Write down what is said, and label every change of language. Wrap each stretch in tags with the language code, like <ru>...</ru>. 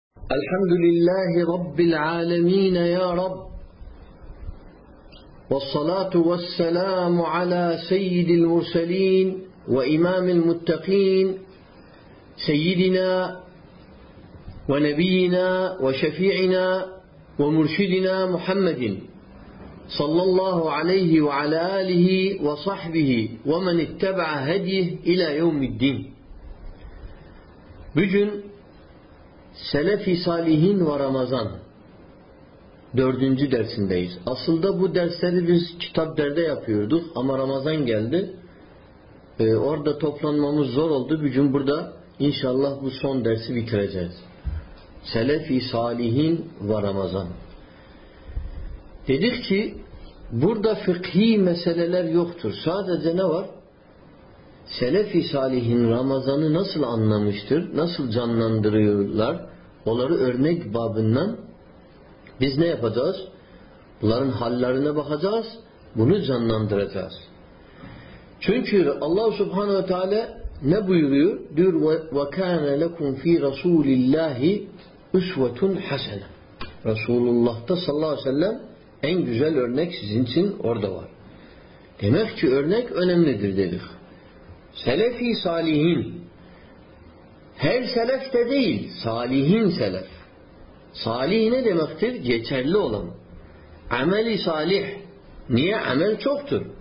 <ar>الحمد لله رب العالمين يا رب، والصلاة والسلام على سيد المرسلين وإمام المتقين سيدنا ونبينا وشفيعنا ومرشدنا محمد صلى الله عليه وعلى آله وصحبه ومن اتبع هديه إلى يوم الدين.</ar> <tr>Bugün Selefi Salihin ve Ramazan dördüncü dersindeyiz. Aslında bu dersleri biz kitap derde yapıyorduk ama Ramazan geldi. Orada toplanmamız zor oldu. Bugün burada inşallah bu son dersi bitireceğiz. Selefi Salihin ve Ramazan. Dedik ki burada fıkhi meseleler yoktur. Sadece ne var? Selefi Salihin Ramazan'ı nasıl anlamıştır, nasıl canlandırıyorlar, onları örnek babından biz ne yapacağız? Bunların hallerine bakacağız, bunu canlandıracağız. Çünkü Allah Subhanahu ve Teala ne buyuruyor? Diyor,</tr> <ar>وَكَانَ لَكُمْ ف۪ي رَسُولِ اللّٰهِ اُسْوَةٌ حَسَنًا.</ar> <tr>Resulullah'ta sallallahu aleyhi ve sellem en güzel örnek sizin için orada var. Demek ki örnek önemlidir dedik. Selefi salihin, her selef de değil, salihin selef. Salih ne demektir? Geçerli olan. Ameli salih. Niye? Amel çoktur.</tr>